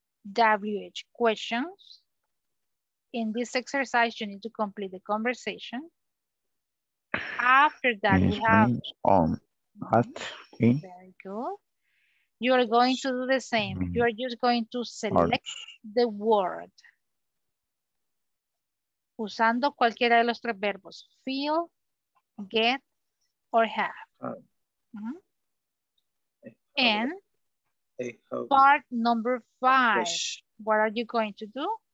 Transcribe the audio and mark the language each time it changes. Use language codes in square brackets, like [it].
[en] WH questions. In this exercise, you need to complete the conversation. After that, we have at in. Very good. You are going to do the same. You are just going to select the word. [es] Usando cualquiera de los tres verbos, feel, get, or have. [en] And part number five, what are you going to do?